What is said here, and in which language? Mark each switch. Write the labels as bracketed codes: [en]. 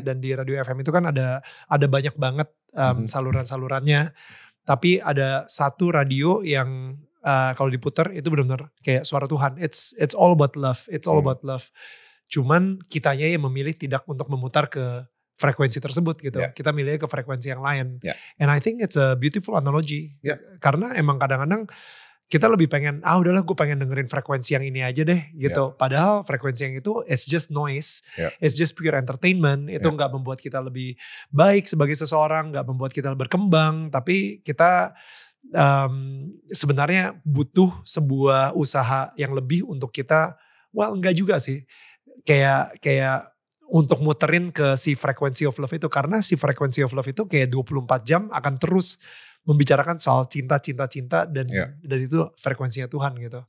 [id] Dan di radio FM itu kan ada banyak banget saluran-salurannya. Tapi ada satu radio yang kalau diputer itu benar-benar kayak suara Tuhan. [en] It's all about love. [id] It's all about love. Cuman kitanya yang memilih tidak untuk memutar ke frekuensi tersebut gitu. Yeah. Kita milih ke frekuensi yang lain. Yeah. [en] And I think it's a beautiful analogy. Yeah. [id] Karena emang kadang-kadang kita lebih pengen, ah udahlah gue pengen dengerin frekuensi yang ini aja deh gitu. Yeah. Padahal frekuensi yang itu [en] it's just noise. Yeah. It's just pure entertainment. [id] Itu gak membuat kita lebih baik sebagai seseorang. Gak membuat kita berkembang. Tapi kita sebenarnya butuh sebuah usaha yang lebih untuk kita. Well enggak juga sih. Kayak untuk muterin ke si [en] frequency of love [id] itu, karena si frequency of love itu kayak 24 jam akan terus membicarakan soal cinta dan dan itu frekuensinya Tuhan gitu.